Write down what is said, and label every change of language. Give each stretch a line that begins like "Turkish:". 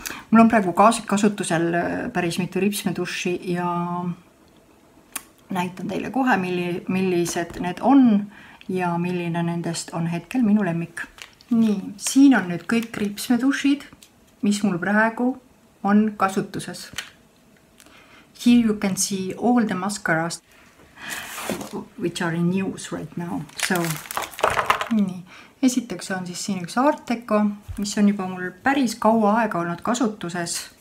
Estonian: Mul on praegu kasutusel päris mitu ripsmedushi ja näitan teile kohe, millised need on ja milline nendest on hetkel minu lemmik. Nii, siin on nüüd kõik ripsmedushid, mis mul praegu on kasutuses.
English: Here you can see all the mascaras, which are in use right now. So, nii.
Estonian: Esiteks on siis siin üks Art Deco, mis on juba mul päris kaua aega olnud kasutuses.